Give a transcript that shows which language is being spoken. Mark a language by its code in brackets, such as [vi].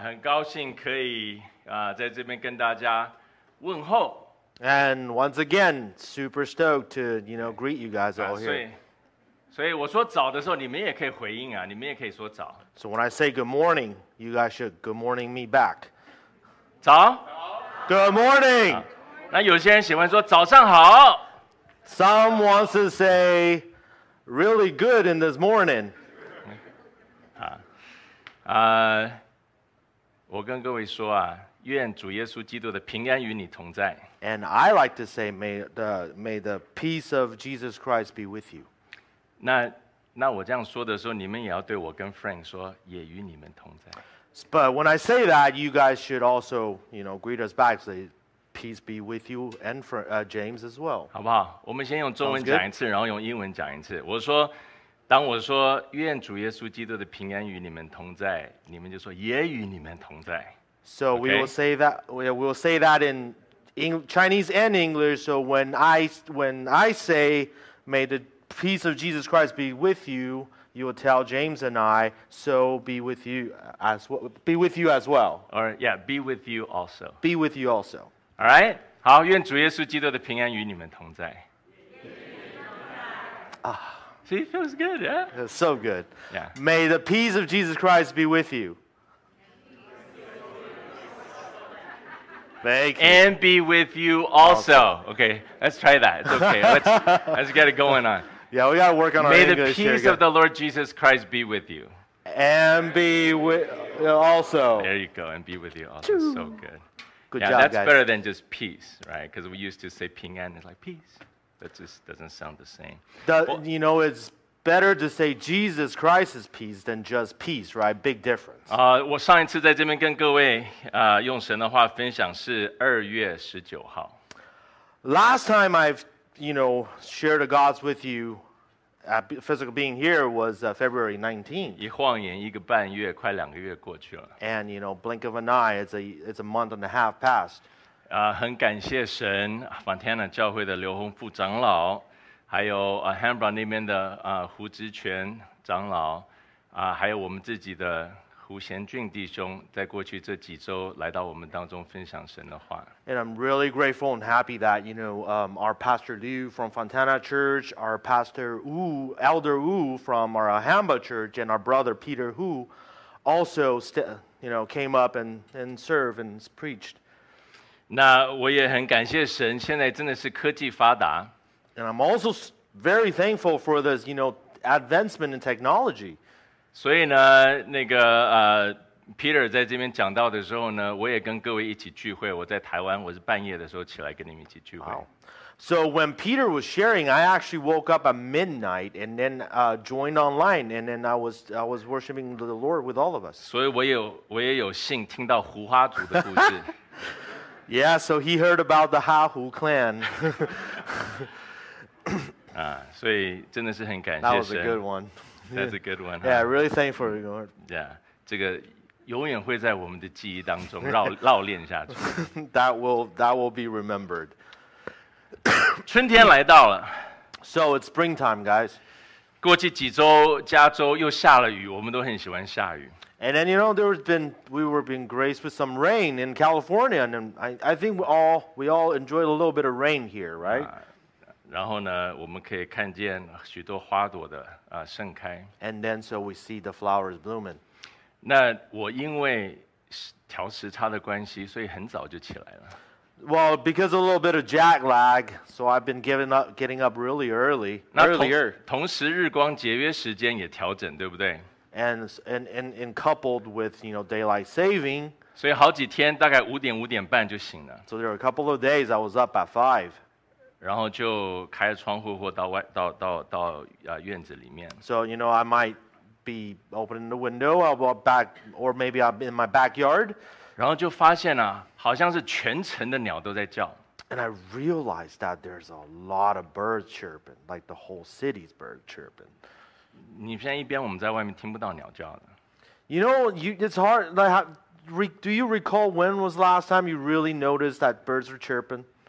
[zh] 很高兴可以在这边跟大家问候。 [en] And once again, super stoked to, you know, greet you guys all here. [zh] 所以我说早的时候，你们也可以回应啊，你们也可以说早。 [en] So when I say good morning, you guys should good morning me back. [zh] 早。 [en] Good morning. [zh] 那有些人喜欢说早上好。 [en] Some wants to say. Really good in this morning. [zh] 我跟各位说啊，愿主耶稣基督的平安与你同在。 [en] And I like to say, may the peace of Jesus Christ be with you. [zh] 那我这样说的时候，你们也要对我跟 Frank 说，也与你们同在。 [en] But when I say that, you guys should also, you know, greet us back, say. Peace be with you and for, James as well. [zh] 好不好？我们先用中文讲一次，然后用英文讲一次。我说，当我说愿主耶稣基督的平安与你们同在，你们就说也与你们同在。 [en] So we will say that in Chinese and English. So when I say may the peace of Jesus Christ be with you, you will tell James and I. So be with you as well. Or yeah, be with you also. Be with you also. All right? [zh] 好，愿主耶稣基督的平安与你们同在。 [en] See, it feels good, yeah? It's so good. Yeah. May the peace of Jesus Christ be with you. Thank you. And be with you also. Okay, let's try that. It's okay. Let's get it going on. Yeah, we got to work on our English here. May the peace of the Lord Jesus Christ be with you. And be with also. There you go. And be with you also. So good. Good yeah, job, that's、 Better than just peace, right? Because we used to say 平安, it's like peace. That just doesn't sound the same. You know, it's better to say Jesus Christ is peace than just peace, right? Big difference. [zh] 我上一次在这边跟各位用神的话分享是2月19号。 [en] Last time I've, you know, shared the gods with you, physical being here, was February 19th. [zh] 一晃眼一个半月快两个月过去了。 [en] And, you know, blink of an eye, it's a month and a half past. [zh] 很感谢神 Fontana 教会的刘宏富长老还有 Hambron 那边的胡植全长老还有我们自己的胡贤俊弟兄在过去这几周来到我们当中分享神的话。 [en] And I'm really grateful and happy that, you know, our Pastor Liu from Fontana Church, our Pastor Wu, Elder Wu from our Ahamba Church, and our brother Peter Hu also, you know, came up and served and preached. [zh] 那我也很感谢神，现在真的是科技发达。 [en] And I'm also very thankful for this, you know, advancement in technology. [zh] 所以呢，那个Peter 在这边讲到的时候呢，我也跟各位一起聚会。我在台湾，我是半夜的时候起来跟你们一起聚会。 [en] Wow. So when Peter was sharing, I actually woke up at midnight and then joined online, and then I was worshiping the Lord with all of us. [zh] 所以我也有幸听到胡花族的故事。 [en] Yeah, so he heard about the Ha Hu clan. [zh] 所以真的是很感谢 [en] 神。That was a good one. That's a good one. Yeah, really thankful, Lord. Yeah, [zh] 这个永远会在我们的记忆当中烙炼下去。 [en] That will be remembered. [zh] 春天来到了。 [en] So it's springtime, guys. [zh] 过去几周，加州又下了雨，我们都很喜欢下雨。 [en] And then, you know, we were being graced with some rain in California, and I think we all enjoyed a little bit of rain here, right? [zh] 然后呢，我们可以看见许多花朵的盛开。 [en] And then, so we see the flowers blooming. [zh] 那我因为调时差的关系，所以很早就起来了。 [en] Well, because a little bit of jet lag, so I've been getting up really early. [zh] 那同时日光节约时间也调整，对不对 [en] ？And coupled with, you know, daylight saving. [zh] 所以好几天，大概5点5点半就醒了。 [en] So there were a couple of days I was up at 5. [zh] 然后就开窗户或到外到到到院子里面。 [en] So you know, I might be opening the window, I'll back, or maybe I'm in my backyard. [zh] 然后就发现啊，好像是全城的鸟都在叫。 [en] And I realized that there's a lot of birds chirping, like the whole city's bird chirping. [zh] 你现在一边我们在外面听不到鸟叫的。 [en] You know, it's hard. Like, do you recall when was the last time you really noticed that birds were chirping?